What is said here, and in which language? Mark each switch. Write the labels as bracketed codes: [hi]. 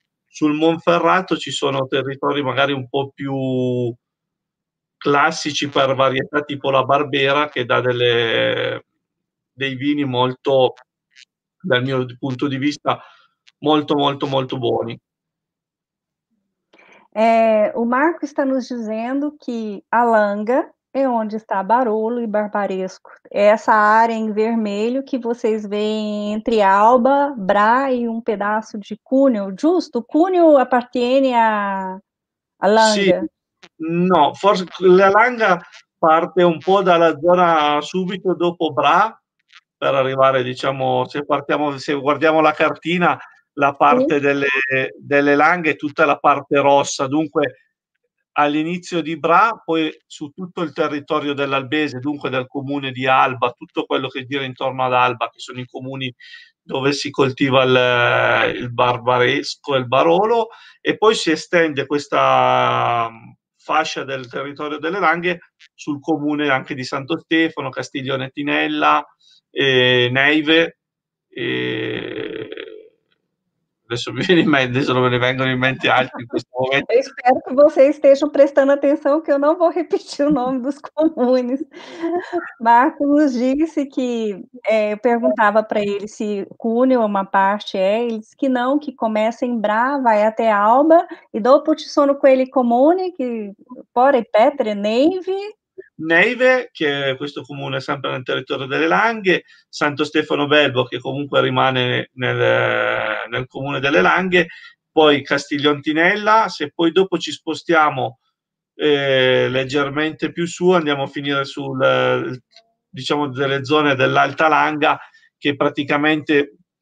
[it] Sul Monferrato ci sono territori magari un po' più classici per varietà, tipo la Barbera, che dà dei vini molto, dal mio punto di vista, molto, molto, molto buoni. [pt] O Marco está nos dizendo que a Langa é onde está Barolo e Barbaresco. É essa área em vermelho que vocês veem entre Alba, Brá e um pedaço de Cuneo. [it] Justo? Cuneo appartiene a Sì, Langa. no, forse la Langa parte un po' dalla zona subito dopo Bra, per arrivare, diciamo, se guardiamo la cartina, la Sì. parte delle Langhe è tutta la parte rossa, dunque all'inizio di Bra, poi su tutto il territorio dell'Albese, dunque dal comune di Alba, tutto quello che gira intorno ad Alba, che sono i comuni dove si coltiva il Barbaresco e il Barolo, e poi si estende questa fascia del territorio delle Langhe sul comune anche di Santo Stefano, Castiglione Tinella, Neive, adesso me ne vengono in mente altri in questo momento. [pt] Eu espero que vocês estejam prestando atenção, que eu não vou repetir o nome dos comunes. Marco nos disse que eu perguntava para ele se Cuneo é uma parte, ele disse que não, que começa em Brá, vai até Alba, e [it] dopo ci sono quelli comuni, che pore, [pt] Petre, Neive. [it] Neive, che è questo comune sempre nel territorio delle Langhe, Santo Stefano Belbo, che comunque rimane nel comune delle Langhe, poi Castiglion Tinella. Se poi dopo ci spostiamo leggermente più su, andiamo a finire sul, diciamo, delle zone dell'Alta Langa, che praticamente,